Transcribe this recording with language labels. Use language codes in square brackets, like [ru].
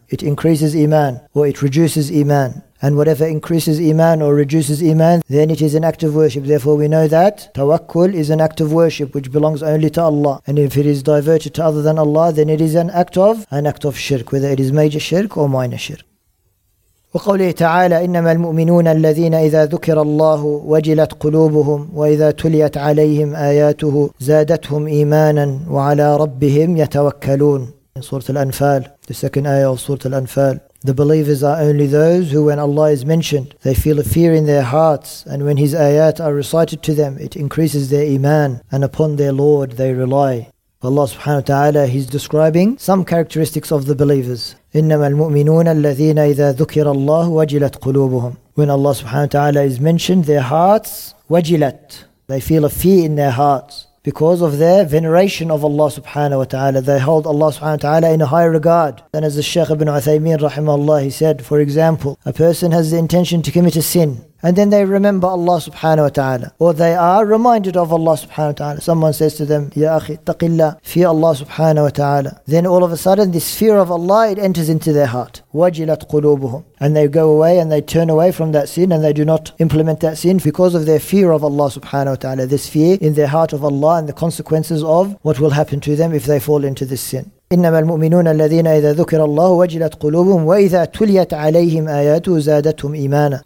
[en] It increases iman or it reduces iman. And whatever increases iman or reduces iman, then it is an act of worship. Therefore we know that tawakkul is an act of worship which belongs only to Allah. And if it is diverted to other than Allah, then it is an act of shirk, whether it is major shirk or minor shirk. [ar] وقوله تعالى إنما المؤمنون الذين إذا ذكر الله وجلت قلوبهم وإذا تليت عليهم آياته زادتهم إيمانا وعلى ربهم يتوكلون. [en] In Surah Al-Anfaal, the second ayah of Surah Al-Anfaal. The believers are only those who, when Allah is mentioned, they feel a fear in their hearts, and when His ayat are recited to them, it increases their iman, and upon their Lord they rely. Allah subhanahu wa ta'ala, He's describing some characteristics of the believers. [ar] إِنَّمَا الْمُؤْمِنُونَ الَّذِينَ إِذَا ذُكِرَ اللَّهُ وَجِلَتْ قُلُوبُهُمْ. [en] When Allah subhanahu wa ta'ala is mentioned, their hearts, وَجِلَتْ, they feel a fear in their hearts because of their veneration of Allah subhanahu wa ta'ala. They hold Allah subhanahu wa ta'ala in a high regard. And as the Shaykh ibn Uthaymeen rahimahullah, he said, for example, a person has the intention to commit a sin, And then they remember Allah subhanahu wa ta'ala. Or they are reminded of Allah subhanahu wa ta'ala. Someone says to them, [ar] Ya akhi, taqillah, [en] fear Allah subhanahu wa ta'ala. Then all of a sudden, this fear of Allah, it enters into their heart. [ar] Wajilat qulubuhum. [en] And they go away and they turn away from that sin and they do not implement that sin because of their fear of Allah subhanahu wa ta'ala. This fear in their heart of Allah and the consequences of what will happen to them if they fall into this sin. [ar] إنما المؤمنون الذين إذا ذكر الله وجلت قلوبهم وإذا تليت عليهم آياته زادتهم إيمانا.